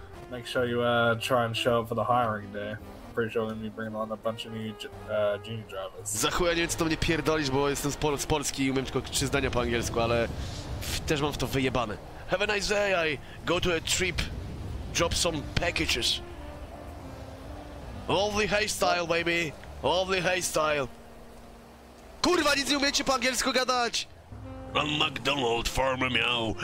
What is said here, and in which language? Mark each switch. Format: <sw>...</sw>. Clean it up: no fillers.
<en>Make sure you try and show up for the hiring day. Pretty sure they're gonna be bringing on a bunch of new junior drivers.</en> <pl>Za chuja nie wiem, co to mnie pierdolisz, bo jestem z Polski i umiem tylko trzy zdania po angielsku, ale też mam w to wyjebane.</pl> <en>Have a nice day, I go to a trip, drop some packages. Lovely hairstyle, baby. Lovely hairstyle.</en> <pl>Kurwa, nic nie umiecie po angielsku gadać!</pl> <en>I'm McDonald's farmer, meow.</en>